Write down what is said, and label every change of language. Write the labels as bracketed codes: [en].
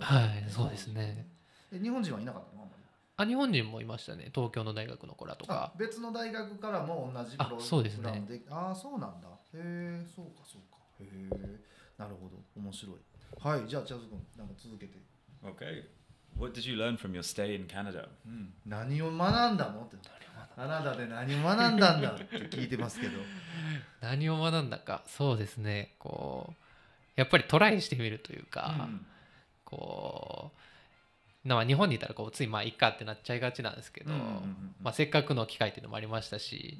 [ja] はい、そうですね。え、日本人はいなかったの？あんまり。あ、日本人もいましたね、東京の大学の子らとか。別の大学からも同じプログラムで。あ、そうですね。あ、そうなんだ。へえ、そうかそうか。へえ、なるほど、面白い。はい、じゃあチャズ君なんか続けて。 [en] OKWhat did you learn from your stay in Canada? [ja] 何を学んだのって。カナダで何を学んだんだって聞いてますけど。何を学んだか、そうですね、こうやっぱりトライしてみるというか、うん、こうまあ、日本にいたらこうついまあいっかってなっちゃいがちなんですけど、せっかくの機会っていうのもありましたし、